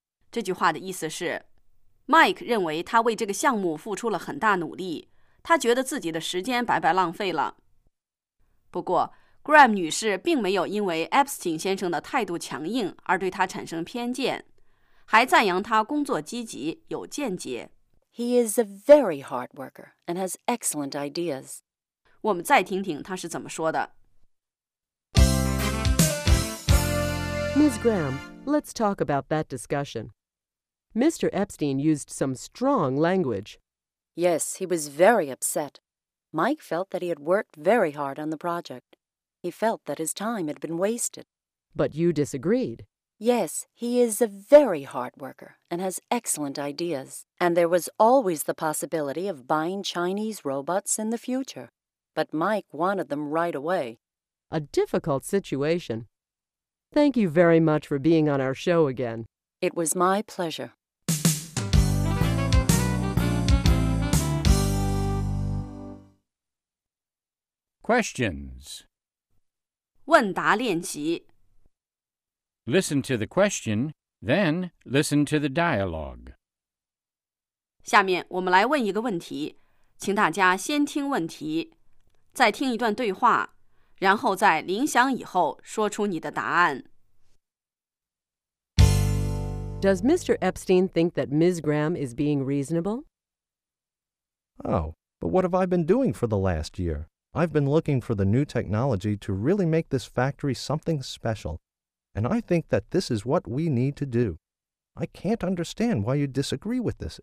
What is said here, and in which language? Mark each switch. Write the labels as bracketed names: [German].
[Chinese] 这句话的意思是 ,Mike 认为他为这个项目付出了很大努力,他觉得自己的时间白白浪费了。不过 ,Graham 女士并没有因为 Epstein 先生的态度强硬而对他产生偏见。还赞扬他工作积极，有见解。 [English] He is a very hard worker and has excellent ideas. [Chinese] 我们再听听他是怎么说的。 [English] Ms. Graham, let's talk about that discussion. Mr. Epstein used some strong language. Yes, he was very upset. Mike felt that he had worked very hard on the project. He felt that his time had been wasted. But you disagreed. Yes, he is a very hard worker and has excellent ideas. And there was always the possibility of buying Chinese robots in the future. But Mike wanted them right away. A difficult situation. Thank you very much for being on our show again. It was my pleasure. Questions. [Chinese] 问答练习。 [English] Listen to the question, then listen to the dialogue. [Chinese] 下面我们来问一个问题，请大家先听问题，再听一段对话，然后在铃响以后说出你的答案。 [English] Does Mr. Epstein think that Ms. Graham is being reasonable? Oh, but what have I been doing for the last year? I've been looking for the new technology to really make this factory something special. And I think that this is what we need to do. I can't understand why you disagree with this.